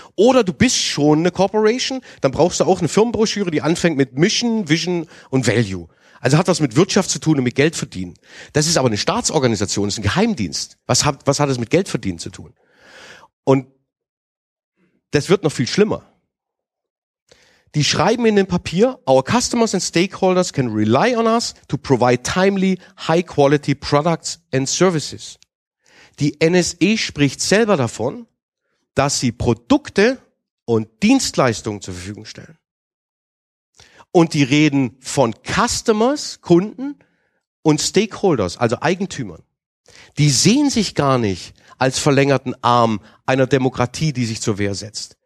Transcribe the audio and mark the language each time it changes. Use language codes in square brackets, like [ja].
[de] Oder du bist schon eine Corporation, dann brauchst du auch eine Firmenbroschüre, die anfängt mit Mission, Vision und Value. Also hat was mit Wirtschaft zu tun und mit Geld verdienen. Das ist aber eine Staatsorganisation, das ist ein Geheimdienst. Was hat das mit Geld verdienen zu tun? Und das wird noch viel schlimmer. Die schreiben in dem Papier, [en] our customers and stakeholders can rely on us to provide timely, high quality products and services. [de] Die NSA spricht selber davon, dass sie Produkte und Dienstleistungen zur Verfügung stellen. Und die reden von Customers, Kunden und Stakeholders, also Eigentümern. Die sehen sich gar nicht als verlängerten Arm einer Demokratie, die sich zur Wehr setzt.